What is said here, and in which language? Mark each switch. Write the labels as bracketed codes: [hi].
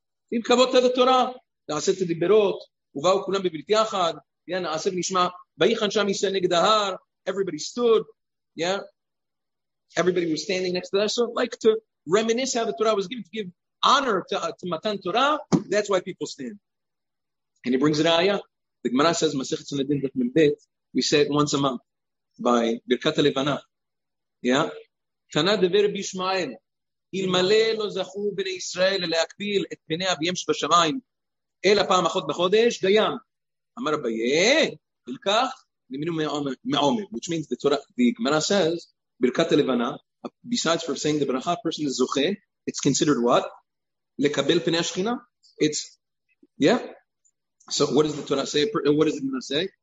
[en] Im kavod to the Torah. [he] נעשה את הדיברות, ובאו כולם בבלתי אחד, נעשה ונשמע, ויחן שם ישראל נגד ההר, [en] everybody stood, yeah, everybody was standing next to that, so like to reminisce how the Torah was given, to give honor to Matan Torah, that's why people stand. And he brings it ayah, the Gemara says, מסכת סנהדרין דף מ"ב, we say it once a month, [he] by ברכת הלבנה, yeah, תנא דבי רבי ישמעאל, אלמלא לא זכו בני ישראל להקביל את פני אביהם שבשמיים, אלא פעם אחות בחודש, דיין. אמר רבייה, ולכך, נמינו מעומר, [en] which means the Torah, the Gemara says, ברכת הלבנה, besides for saying the ברכה, a person is זוכה, it's considered what? [he] לקבל פני השכינה? [en] It's, yeah. So what does the Torah say? What does the Gemara say?